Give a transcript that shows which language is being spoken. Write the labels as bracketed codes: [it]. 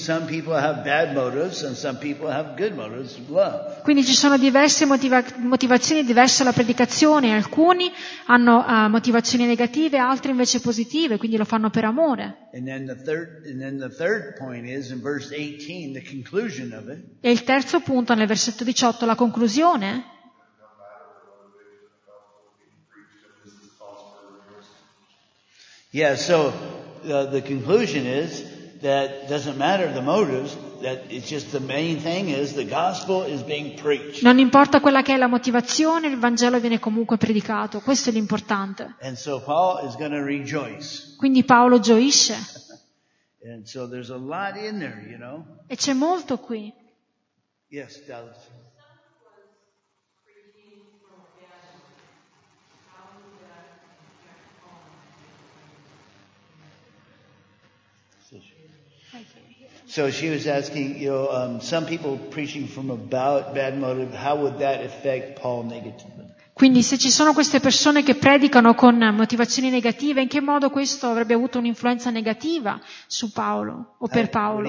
[en] Some people have bad motives and some people have good motives, love. [it] Quindi ci sono diverse motivazioni diverse alla predicazione. Alcuni hanno motivazioni negative, altri invece positive, quindi lo fanno per amore. [en] And then the third point is in verse 18, the conclusion of it. [it] E il terzo punto nel versetto 18, la conclusione. [en] Yeah, so the conclusion is that doesn't matter the motives, that it's just the main thing is the gospel is being preached. [it] Non importa quella che è la motivazione, il Vangelo viene comunque predicato, questo è l'importante. [en] And so Paul is going to rejoice. [it] Quindi Paolo gioisce. [en] And so there's a lot in there, you know. [it] E c'è molto qui. [en] Yes, Dallas. So she was asking, you know, some people preaching from about bad motive, how would that affect Paul negatively? [it] Quindi se ci sono queste persone che predicano con motivazioni negative, in che modo questo avrebbe avuto un'influenza negativa su Paolo o per Paolo?